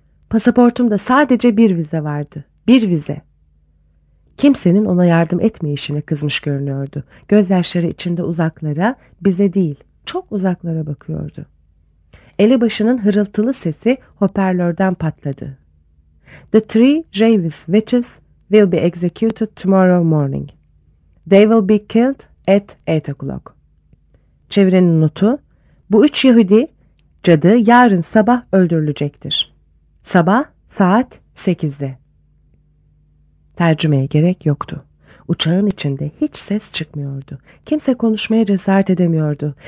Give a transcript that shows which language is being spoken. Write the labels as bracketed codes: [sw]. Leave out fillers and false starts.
[tr] Pasaportumda sadece bir vize vardı. Bir vize. Kimsenin ona yardım etmeyişine kızmış görünüyordu. Gözyaşları içinde uzaklara, bize değil, çok uzaklara bakıyordu. Elebaşının hırıltılı sesi hoparlörden patladı. [en] The three Jeeves witches will be executed tomorrow morning. They will be killed at 8 o'clock. [tr] Çevirinin notu, bu üç Yahudi, cadı yarın sabah öldürülecektir. Sabah saat 8'de. Tercümeye gerek yoktu. Uçağın içinde hiç ses çıkmıyordu. Kimse konuşmaya cesaret edemiyordu.